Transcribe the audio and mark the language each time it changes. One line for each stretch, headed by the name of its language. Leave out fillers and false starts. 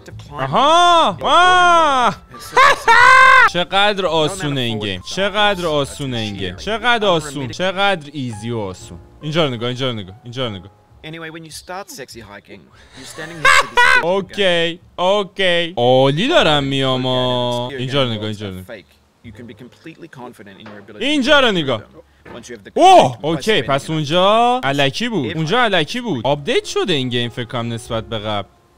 Persian: آها چقدر آسونه این گیم، چقدر آسونه این گیم، چقدر آسون، چقدر ایزی و آسون. اینجا رو نگاه اینجا رو نگاه اینجا رو نگاه.
English: Anyway, when you start sexy hiking, you're standing next to this. Okay, okay.
Persian: عالی دارم میام. اینجا رو نگاه اینجا رو نگاه.
English: You can be completely confident in your ability.
Persian: اینجا رو نگاه. اوه اوکی، پس اونجا الکی بود، اونجا الکی بود. آپدیت شده این گیم فکر کنم نسبت به قبل.